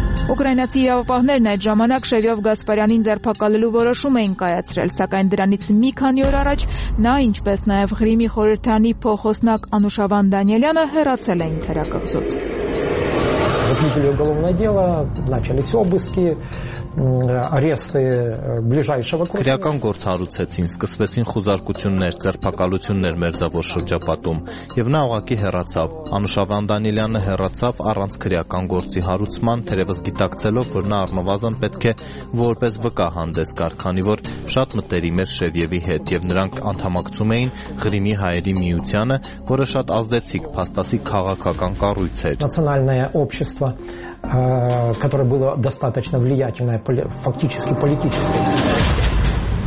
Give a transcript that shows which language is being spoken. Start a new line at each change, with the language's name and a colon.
Armenian: Ուկրաինացի իրավապահներն այդ ժամանակ Շևյով Գասպարյանին ձերբակալելու որոշում էին կայացրել, սակայն դրանից մի քանի օր առաջ նա, ինչպես նաև Ղրիմի խորհրդանի փոխոսնակ Անուշավան Դանիելյանը, հեռացել էին թերակղզուց։
Russian: возбудили уголовное дело, начались обыски, аресты ближайшего круга.
Armenian: Քրեական գործ հարուցեցին, սկսվեցին խուզարկություններ, ձերբակալություններ մերձավոր շրջապատում, եւ նա ուղակի հեռացավ։ Անուշավան Դանիլյանը հեռացավ առանց քրեական գործի հարուցման, թերևս գիտակցելով, որ նա առնվազն պետք է որպես վկա հանդես գար, քանի որ շատ մտերիմ էր Շևևի հետ, եւ նրանք անդամակցում էին Ղրիմի հայերի միությանը, որը շատ ազդեցիկ, փաստացի քաղաքական կառույց էր։
Russian: Национальное общество, которое было достаточно влиятельное фактически политически.